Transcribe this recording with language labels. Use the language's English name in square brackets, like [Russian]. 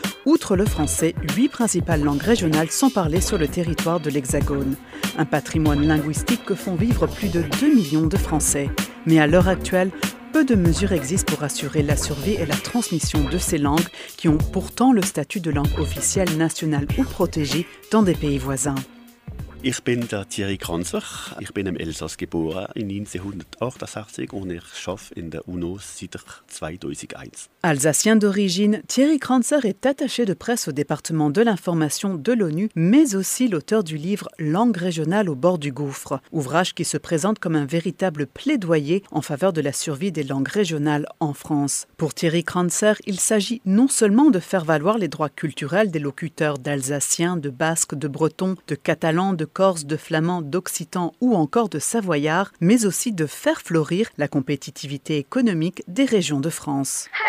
[French] Outre le français, 8 principales langues régionales sont parlées sur le territoire de l'Hexagone. Un patrimoine linguistique que font vivre plus de 2 millions de Français. Mais à l'heure actuelle, peu de mesures existent pour assurer la survie et la transmission de ces langues qui ont pourtant le statut de langue officielle nationale ou protégée dans des pays voisins. [German] Ich bin der Thierry Kranzer. Ich bin im Elsass geboren in 1988 und ich schaffe in der UNO seit 2001. [French] Alsacien d'origine, Thierry Kranzer est attaché de presse au département de l'information de l'ONU, mais aussi l'auteur du livre « Langue régionale au bord du gouffre », ouvrage qui se présente comme un véritable plaidoyer en faveur de la survie des langues régionales en France. Pour Thierry Kranzer, il s'agit non seulement de faire valoir les droits culturels des locuteurs d'Alsaciens, de Basques, de Bretons, de Catalans, de Corse, de Flamand, d'Occitan ou encore de Savoyard, mais aussi de faire fleurir la compétitivité économique des régions de France.